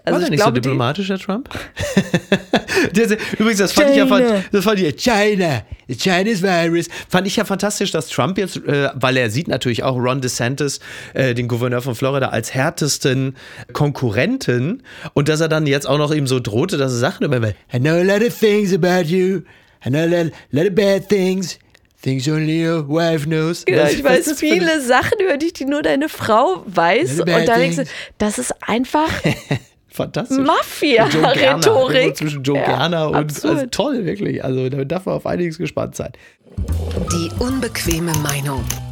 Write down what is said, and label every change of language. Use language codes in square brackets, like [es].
[de] Also war der nicht so diplomatisch, Herr Trump? Übrigens, das fand ich ja fantastisch, dass Trump jetzt, weil er sieht natürlich auch Ron DeSantis, den Gouverneur von Florida, als härtesten Konkurrenten und dass er dann jetzt auch noch eben so drohte, dass er Sachen über, [en] I know a lot of things about you, I know a lot of bad things. Things only your wife knows. [de] Ja, ich weiß viele Sachen über dich, die nur deine Frau weiß. Und da denkst du, das ist einfach Mafia-Rhetorik. Zwischen Joe Garner und also toll, wirklich. Also da darf man auf einiges gespannt sein. Die unbequeme Meinung.